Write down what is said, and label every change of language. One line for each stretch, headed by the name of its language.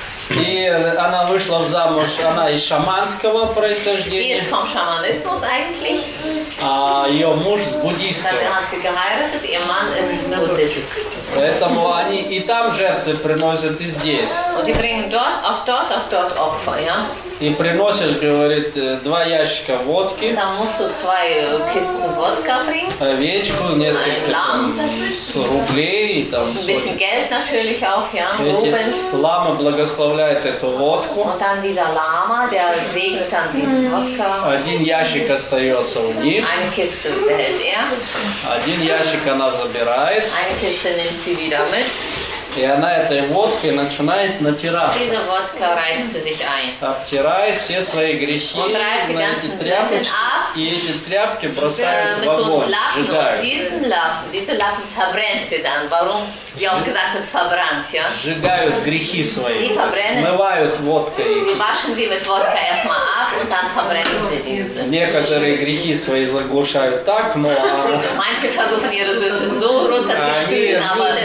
Russian: И она вышла замуж, она из шаманского происхождения.
German: Wie ist vom Schamanismus eigentlich?
Russian: А ее муж с буддийского.
German: Also hat sie geheiratet, ihr Mann ist Buddhist.
Russian: Поэтому они и там жертвы приносят, и здесь.
German: Und die bringen dort, auch dort, auf dort Opfer, ja?
Russian: И приносишь, говорит, два ящика водки.
German: Und dann musst du zwei Kisten Wodka bringen.
Russian: Овечку, несколько там, рублей. Там,
German: ein bisschen Geld natürlich auch, ja?
Russian: Эти ламы благословляют эту водку.
German: Und dann dieser Lama, der segnet dann diesen Wodka.
Russian: Один ящик остается у них.
German: Eine Kiste behält er.
Russian: Один ящик она забирает.
German: Eine Kiste nimmt sie wieder mit.
Russian: И она этой водкой начинает натираться.
German: Diese Wodka reibt sie sich ein.
Russian: Обтирает все свои грехи.
German: Und reibt die ganzen Sünden ab.
Russian: И эти тряпки бросает в огонь, сжигает.
German: Diesen Lappen, diese Lappen verbrennt sie dann. Warum? Sie auch gesagt hat, verbrannt, ja?
Russian: Сжигают грехи свои. Смывают водкой.
German: Waschen sie mit Wodka erstmal ab und dann verbrennen sie diese.
Russian: Некоторые грехи свои заглушают так, но...
German: Manche versuchen ihre Sünden so runterzuspülen, aber